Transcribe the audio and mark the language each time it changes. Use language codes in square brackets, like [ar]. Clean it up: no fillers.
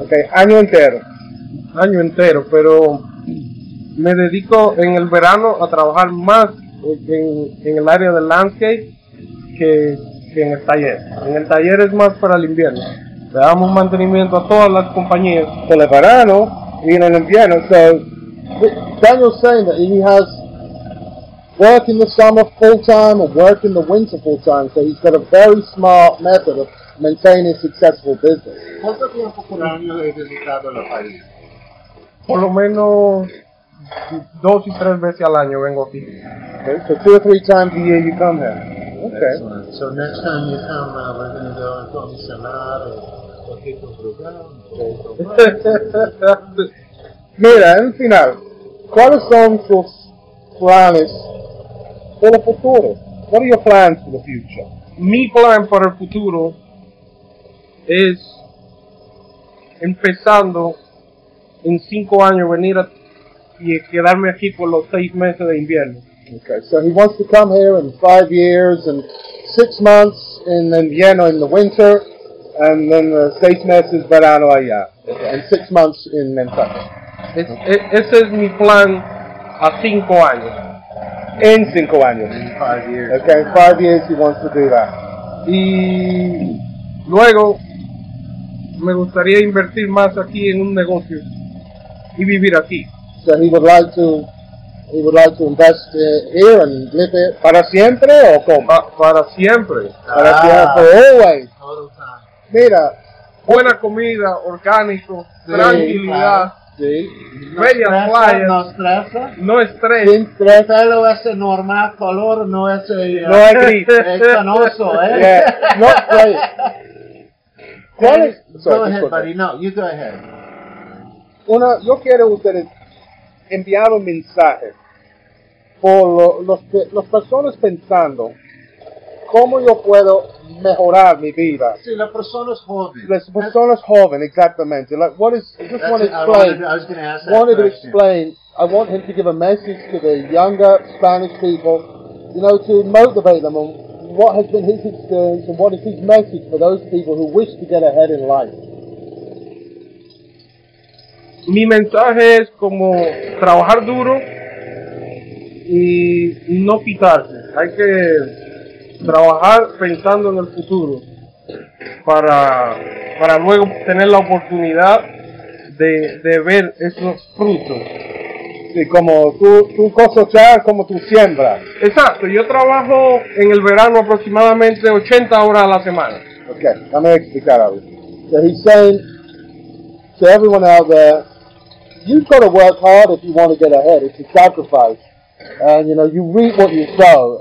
[es] Okay, año entero. Año entero, pero me dedico en el verano a trabajar más en el área del landscape que en el taller. En el taller es más para el invierno. Le damos mantenimiento a todas las compañías. En el verano y en el invierno. [en] So, Daniel's saying that he has work in the summer full time or work in the winter full time. So he's got a very smart method of maintaining successful business. [es] ¿Cuánto tiempo por año he visitado la país? Por lo menos 2 y 3 veces al año vengo aquí. [en] Okay, so 2 or 3 times a year you come here. Okay. Excellent. So next time you come, we're going to go and come to Sanar or Kiko Brugal. [es] Mira, en final, ¿cuáles son tus planes para el futuro? [en] What are your plans for the future? [es] Mi plan para el futuro es empezando en 5 años venir a y quedarme aquí por los 6 meses de invierno. [en] Okay, so he wants to come here in 5 years and 6 months in invierno in the winter, and then [es] 6 meses verano allá, [en] and 6 months in Nantucket. [es] Ese es mi plan a 5 años. En 5 años. [en] In 5 years. Okay, 5 years he wants to do that. [es] Y luego me gustaría invertir más aquí en un negocio y vivir aquí. So he would like to invest here and live here. ¿Para siempre o cómo? Para siempre. Para siempre. [en] Always. [es] Todo el time. Mira. Buena comida, orgánico, sí, tranquilidad. Sí. Bellas playas. No estresa. No estrés. Sin estrés, él es normal color, no es... No es gris. Es canoso, ¿eh? [en] Yeah. No, wait. [es] ¿Cuál es? [en] Sorry, go ahead, buddy. No, you go ahead. [es] Una, yo quiero ustedes enviar un mensaje por las personas pensando cómo yo puedo mejorar mi vida. Sí, la persona es joven. La persona es joven, exactamente. [en] Like, what is, I just want to explain. I want him to give a message to the younger Spanish people, you know, to motivate them on what has been his experience and what is his message for those people who wish to get ahead in life. [es] Mi mensaje es como trabajar duro y no quitarse. Hay que trabajar pensando en el futuro para luego tener la oportunidad de ver esos frutos. Sí, como tú cosechar, como tú siembras. Exacto, yo trabajo en el verano aproximadamente 80 horas a la semana. Ok, déjame explicar algo. [en] So he's saying to everyone out there, you've got to work hard if you want to get ahead. It's a sacrifice. And, you know, you reap what you sow.